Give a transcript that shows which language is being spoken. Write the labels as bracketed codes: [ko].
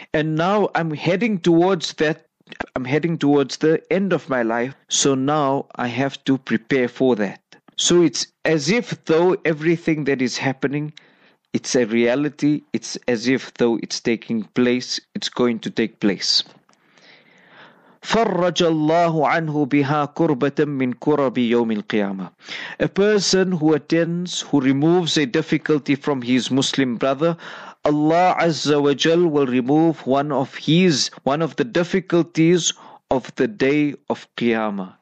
[en] And now I'm heading towards that. I'm heading towards the end of my life. So now I have to prepare for that. So it's as if though everything that is happening, it's a reality. It's as if though it's taking place. It's going to take place. [ar] فرج الله عنه بها كربة من كرب يوم القيامة. [en] A person who attends, who removes a difficulty from his Muslim brother, Allah Azza wa Jal will remove one of the difficulties of the day of Qiyamah.